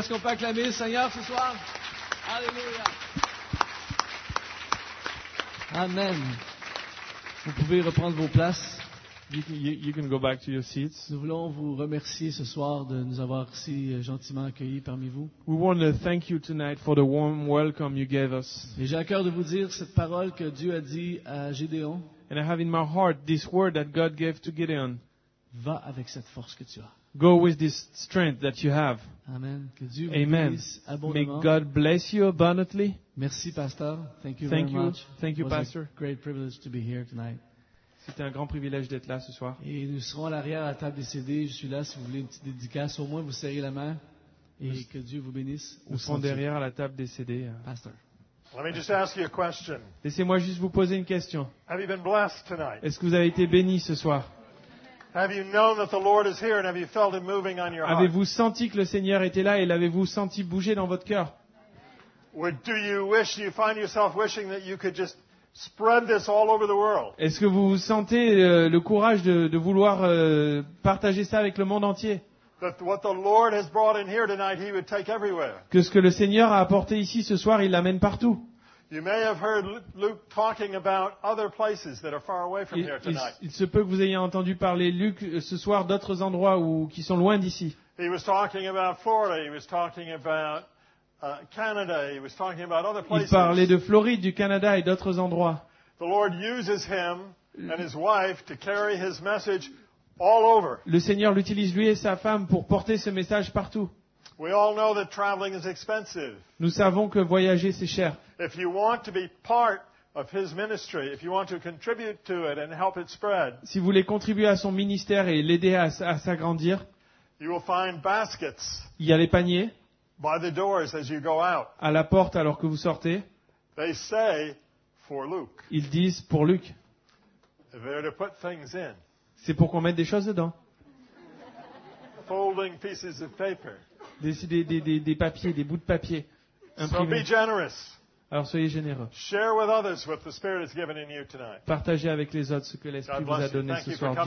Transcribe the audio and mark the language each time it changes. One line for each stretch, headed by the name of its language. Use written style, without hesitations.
French: Est-ce qu'on peut acclamer le Seigneur ce soir? Alléluia. Amen. Vous pouvez reprendre vos places.
English: You can go back to your seats.
French: Nous voulons vous remercier ce soir de nous avoir si gentiment accueillis parmi vous.
English: We want to thank you tonight for the warm welcome you gave us.
French: Et j'ai à cœur de vous dire cette parole que Dieu a dit à Gédéon.
English: And I have in my heart this word that God gave to Gideon.
French: Va avec cette force que tu as.
English: Go with this strength that you have.
French: Amen. Que Dieu Amen. Vous bénisse abondamment.
English: May God bless you abundantly.
French: Merci, Pastor.
English: Thank you Thank very you. Much. Thank you, It was Pastor. A great privilege to be here tonight.
French: C'était un grand privilège d'être là ce soir. Et nous serons à l'arrière à la table des CD. Je suis là si vous voulez une petite dédicace. Au moins, vous serrez la main. Et nous, que Dieu vous bénisse. Nous serons derrière à la table des CD.
English: Pastor. Let me just ask you a question.
French: Laissez-moi juste vous poser une question.
English: Have you been blessed tonight?
French: Est-ce que vous avez été béni ce soir?
English: Have you known that the Lord is here and have you felt him moving on your heart?
French: Avez-vous senti que le Seigneur était là et l'avez-vous senti bouger dans votre cœur?
English: Would do you wish you find yourself wishing that you could just spread this all over the world?
French: Est-ce que vous sentez le courage de vouloir partager ça avec le monde entier?
English: That what the Lord has brought in here tonight, he would take everywhere.
French: Que ce que le Seigneur a apporté ici ce soir, il l'amène partout.
English: You may have heard Luke talking about other places that are far away from here tonight.
French: Il se peut que vous ayez entendu parler Luke ce soir d'autres endroits où qui sont loin d'ici.
English: He was talking about Florida, he was talking about Canada, he was talking about other places.
French: Il parlait de Floride, du Canada et d'autres endroits.
English: The Lord uses him and his wife to carry his message all over.
French: Le Seigneur l'utilise lui et sa femme pour porter ce message partout.
English: We all know that traveling is expensive.
French: Nous savons que voyager c'est cher.
English: If you want to be part of his ministry, if you want to contribute to it and help it spread.
French: Si vous voulez contribuer à son ministère et l'aider à s'agrandir.
English: You will find baskets.
French: Il y a les paniers.
English: By the doors as you go out.
French: À la porte alors que vous sortez.
English: They say for Luke.
French: Ils disent pour Luc.
English: They're to put things in.
French: C'est pour qu'on mette des choses dedans.
English: Folding pieces of paper.
French: Des papiers, des bouts de papier imprimés.
English: So be generous.
French: Alors soyez généreux.
English: Share with others what the Spirit has given in you tonight.
French: Partagez avec les autres ce que l'Esprit vous a donné ce soir.